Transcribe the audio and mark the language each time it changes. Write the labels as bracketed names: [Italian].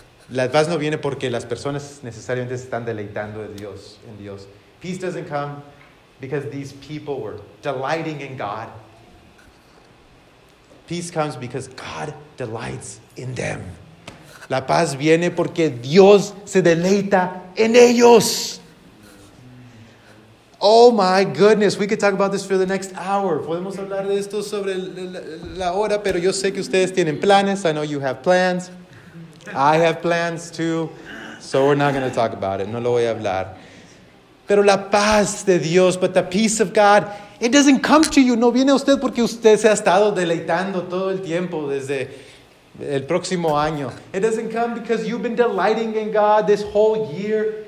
[Spanish] La paz no viene porque las personas necesariamente se están deleitando de Dios, en Dios. [English] Peace doesn't come because these people were delighting in God. Peace comes because God delights in them. [Spanish] La paz viene porque Dios se deleita en ellos. [English] Oh my goodness, we could talk about this for the next hour. [Spanish] Podemos hablar de esto sobre la hora, pero yo sé que ustedes tienen planes. [English] I know you have plans. I have plans too. So we're not going to talk about it. [Spanish] No lo voy a hablar. Pero la paz de Dios, [English] but the peace of God, it doesn't come to you. [Spanish] No viene a usted porque usted se ha estado deleitando todo el tiempo desde el próximo año. [English] It doesn't come because you've been delighting in God this whole year.